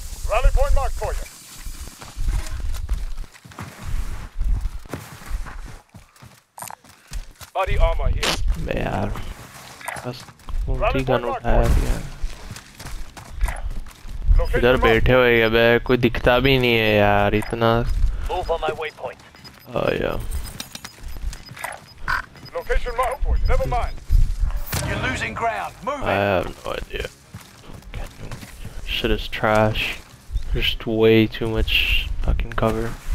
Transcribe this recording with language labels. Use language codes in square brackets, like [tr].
[en] Rally point marked for you. Body armor here. Man. That's what the gun would have, yeah. [hi] इधर बैठे हुए हैं अबे कोई दिखता भी नहीं है यार इतना [en] Move on my waypoint. Oh yeah. Location marked for you. Never mind. You're losing ground. Move. I have no idea. Shit is trash. There's way too much fucking cover.